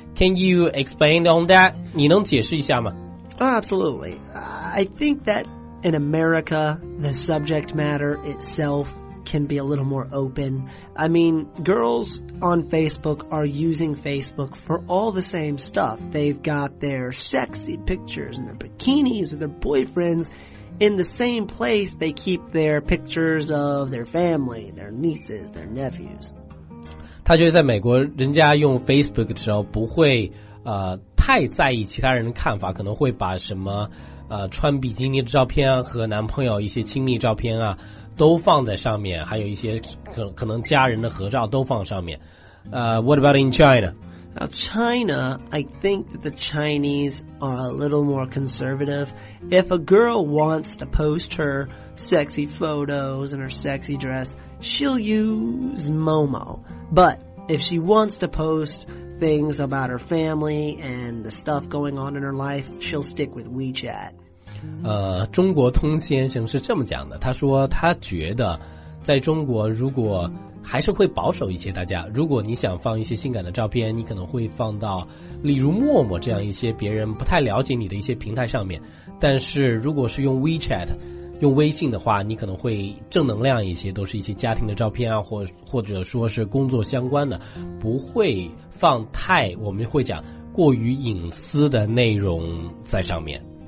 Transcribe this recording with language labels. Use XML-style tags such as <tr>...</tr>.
<en>Can you expand on that?</en> <zh>你能解释一下吗？</zh> <en>Oh, absolutely. I think that in America, the subject matter itself can be a little more open. I mean, girls on Facebook are using Facebook for all the same stuff. They've got their sexy pictures and their bikinis with their boyfriends in the same place they keep their pictures of their family, their nieces, their nephews.</en> <zh>他觉得在美国人家用 Facebook 的时候不会太在意其他人的看法，可能会把什么穿比基尼的照片啊和男朋友一些亲密照片啊都放在上面，还有一些可能家人的合照都放上面。</zh> <en>What about in China? Now China, I think that the Chinese are a little more conservative. If a girl wants to post her sexy photos and her sexy dress, she'll use Momo. But if she wants to post things about her family and the stuff going on in her life, she'll stick with WeChat.</en> <zh>中国通先生是这么讲的，他说他觉得在中国如果还是会保守一些，大家如果你想放一些性感的照片，你可能会放到例如陌陌这样一些别人不太了解你的一些平台上面，但是如果是用 WeChat用微信的话，你可能会正能量一些，都是一些家庭的照片啊，或者说是工作相关的，不会放太，我们会讲过于隐私的内容在上面。</zh>